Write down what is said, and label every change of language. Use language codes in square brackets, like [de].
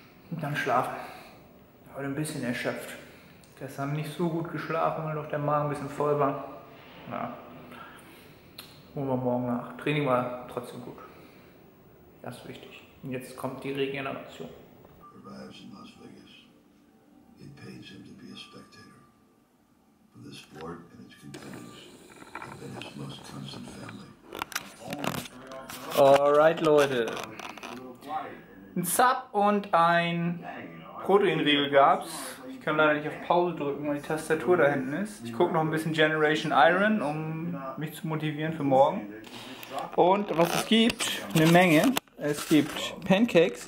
[de] Und dann schlafen. Heute ein bisschen erschöpft. Gestern nicht so gut geschlafen, weil doch der Magen ein bisschen voll war. Na, holen wir morgen nach. Training war trotzdem gut. Das ist wichtig. Und jetzt kommt die Regeneration. [en] Arrives in Las Vegas. It pains him to be a spectator. For the sport and its competitors have been his most constant family. [de] Alright, Leute. Ein Sub und ein Proteinriegel gab's. Ich kann leider nicht auf Pause drücken, weil die Tastatur da hinten ist. Ich gucke noch ein bisschen Generation Iron, um mich zu motivieren für morgen. Und was es gibt, eine Menge. Es gibt Pancakes.